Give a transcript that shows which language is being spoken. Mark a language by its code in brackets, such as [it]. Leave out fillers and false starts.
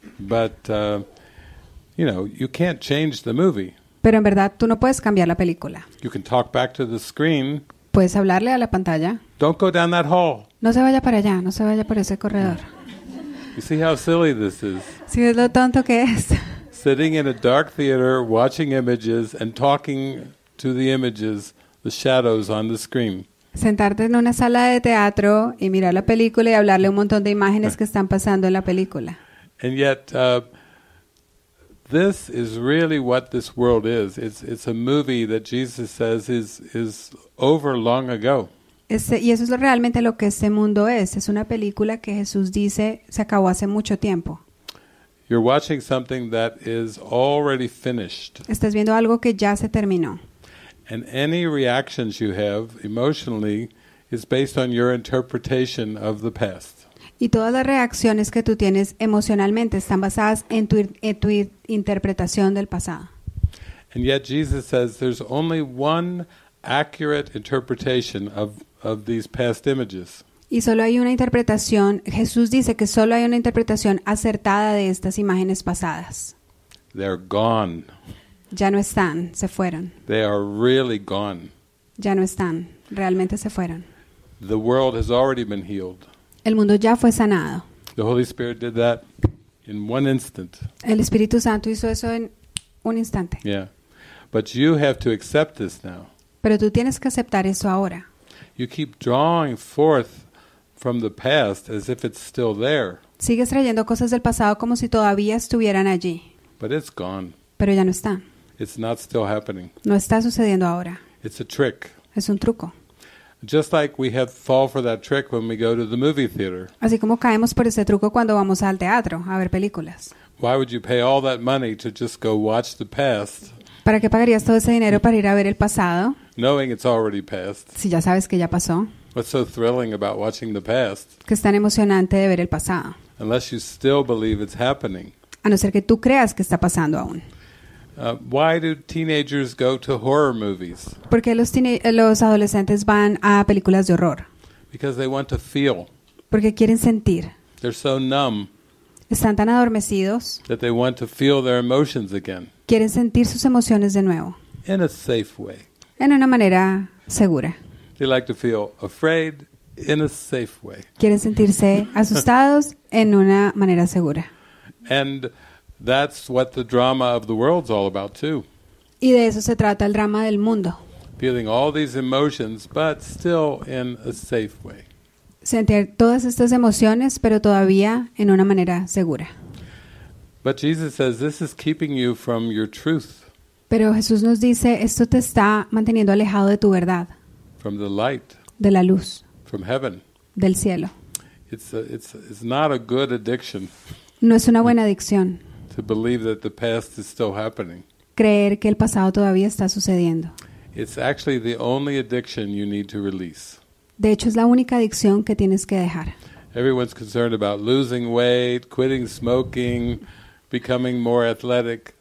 [en] But, you know, you can't change the movie. [es] Pero en verdad tú no puedes cambiar la película. [en] You can talk back to the screen. [es] Puedes hablarle a la pantalla. [en] Don't go down that hall. [es] No se vaya para allá, no se vaya por ese corredor. [en] You see how silly this is. [es] ¿Sí ves lo tonto que es? [en] Sitting in a dark theater, watching images and talking to the images, the shadows on the screen. [es] Sentarte en una sala de teatro y mirar la película y hablarle un montón de imágenes que están pasando en la película. [en] And yet, this is really what this world is. It's a movie that Jesus says is over long ago. [es] Y eso es realmente lo que este mundo es. Es una película que Jesús dice se acabó hace mucho tiempo. [en] You're watching something that is already finished. [es] Estás viendo algo que ya se terminó. [en] And any reactions you have emotionally is based on your interpretation of the past. [es] Y todas las reacciones que tú tienes emocionalmente están basadas en tu interpretación del pasado. [en] And yet Jesus says there's only one accurate interpretation of these past images. [es] Y solo hay una interpretación, Jesús dice que solo hay una interpretación acertada de estas imágenes pasadas. [en] They're gone. [es] Ya no están, se fueron. [en] They are really gone. [es] Ya no están, realmente se fueron. [en] The world has already been healed. [es] El mundo ya fue sanado. [en] The Holy Spirit did that in one instant. [es] El Espíritu Santo hizo eso en un instante. [en] Yeah. But you have to accept this now. [es] Pero tú tienes que aceptar eso ahora. [en] You keep drawing forth from the past as if it's still there. [es] Sigues trayendo cosas del pasado como si todavía estuvieran allí. [en] But it's gone. [es] Pero ya no está. [en] It's not still happening. [es] No está sucediendo ahora. [en] It's a trick. [es] Es un truco. [en] Just like we have fall for that trick when we go to the movie theater. [es] Así como caemos por ese truco cuando vamos al teatro a ver películas. [en] Why would you pay all that money to just go watch the past? [es] ¿Para qué pagarías todo ese dinero para ir a ver el pasado? [en] Knowing it's already past. [es] Si ya sabes que ya pasó. [en] What's so thrilling about watching the past? [es] ¿Qué es tan emocionante de ver el pasado? [en] Unless you still believe it's happening. [es] A no ser que tú creas que está pasando aún. [en] Why do teenagers go to horror movies? [es] Porque los adolescentes van a películas de horror. [en] Because they want to feel. [es] Porque quieren sentir. [en] They're so numb. [es] Están tan adormecidos. [en] That they want to feel their emotions again. [es] Quieren sentir sus emociones de nuevo. [en] In a safe way. [es] En una manera segura. [en] They like to feel afraid in a safe way. [es] Quieren sentirse asustados en una manera segura. [en] And that's what the drama of the world's all about too. [es] Y de eso se trata el drama del mundo. [en] Feeling all these emotions, but still in a safe way. [es] Sentir todas estas emociones, pero todavía en una manera segura. [en] But Jesus says this is keeping you from your truth. [es] Pero Jesús nos dice, esto te está manteniendo alejado de tu verdad. [en] From the light. [es] De la luz. [en] From heaven. [es] Del cielo. [en] It's not a good addiction. [es] No es una buena adicción. [en] To believe that the past is still happening. [es] Creer que el pasado todavía está sucediendo. [en] It's actually the only addiction you need to release. [es] De hecho, es la única adicción que tienes que dejar. [en] Everyone's concerned about losing weight, quitting smoking, becoming more athletic.